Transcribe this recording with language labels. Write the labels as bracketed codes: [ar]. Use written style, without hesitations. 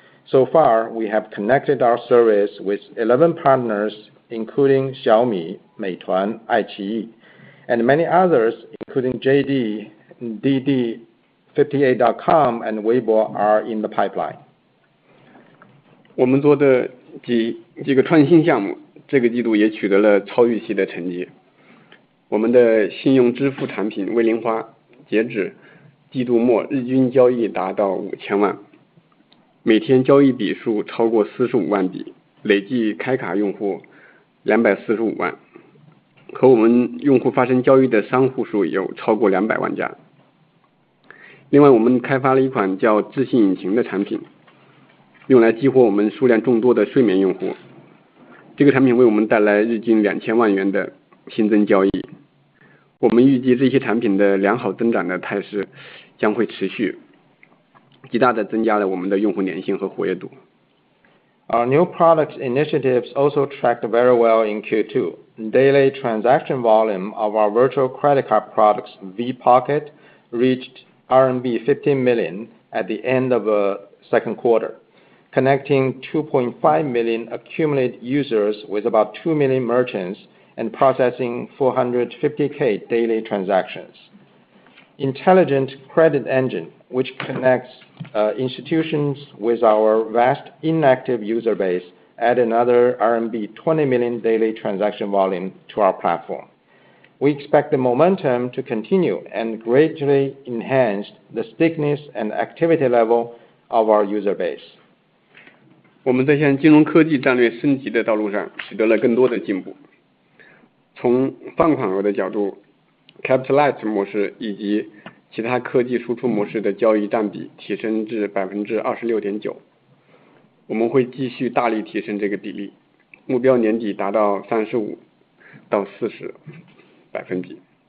[en] So far, we have connected our service with 11 partners, including Xiaomi, Meituan, Aiqiyi, and many others, including JD, DD, 58.com, and Weibo are in the pipeline. [zh] 我们做的几个创新项目，这个季度也取得了超预期的成绩。我们的信用支付产品微零花，截止季度末日均交易达到5000万。每天交易笔数超过45万笔，累计开卡用户245万，和我们用户发生交易的商户数有超过200万家。另外，我们开发了一款叫自信引擎的产品，用来激活我们数量众多的睡眠用户。这个产品为我们带来日均2000万元的新增交易。我们预计这些产品的良好增长的态势将会持续，极大地增加了我们的用户粘性和活跃度。 [en] Our new product initiatives also tracked very well in Q2. Daily transaction volume of our virtual credit card products VPocket reached RMB 15 million at the end of the second quarter, connecting 2.5 million accumulated users with about 2 million merchants and processing 450K daily transactions. Intelligent Credit Engine, which connects institutions with our vast inactive user base, add another RMB 20 million daily transaction volume to our platform. We expect the momentum to continue and greatly enhance the stickiness and activity level of our user base. [zh] 我们在向金融科技战略升级的道路上取得了更多的进步。从放款额的角度， Capital Light 模式以及其他科技输出模式的交易占比提升至 26.9%， 我们会继续大力提升这个比例，目标年底达到35%到40%。